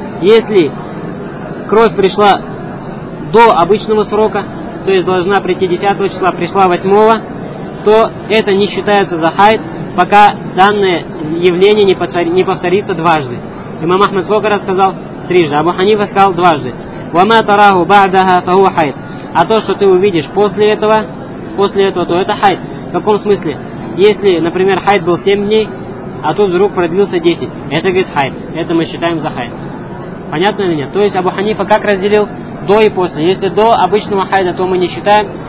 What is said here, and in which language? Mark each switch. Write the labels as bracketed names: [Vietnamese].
[Russian] Если кровь пришла до обычного срока, то есть должна прийти 10 числа, пришла 8-го, то это не считается за хайд, пока данное явление не повторится дважды. Имам Ахмад сколько раз сказал? Трижды. Абу Ханифа сказал дважды. [Arabic] وَمَا تَرَاهُ بَعْدَهَا فَهُوَ хайд. [Russian] А то, что ты увидишь после этого, то это хайд. В каком смысле? Если, например, хайд был 7 дней, а тут вдруг продлился 10. Это, говорит, хайд. Это мы считаем за хайд. Понятно или нет? То есть Абу Ханифа как разделил? До и после. Если до обычного хайда, то мы не считаем.